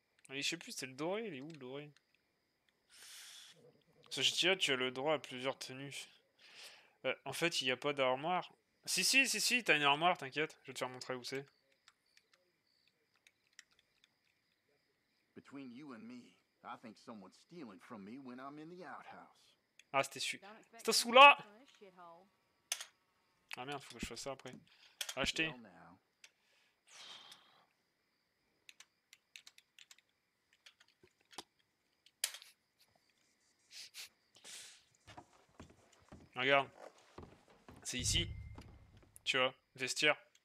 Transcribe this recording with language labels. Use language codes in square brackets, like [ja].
[fr] Je sais plus, c'est le doré, il est où le doré? Ce GTA, tu as le droit à plusieurs tenues. En fait, il n'y a pas d'armoire. Si, si, si, si, t'as une armoire, t'inquiète, je vais te faire montrer où c'est. [en] Between you and me, I think someone's stealing from me when I'm in the outhouse. [fr] Ah, c'était celui. C'était celui-là! Ah merde, faut que je fasse ça après. Acheter. Regarde, c'est ici, tu vois, vestiaire.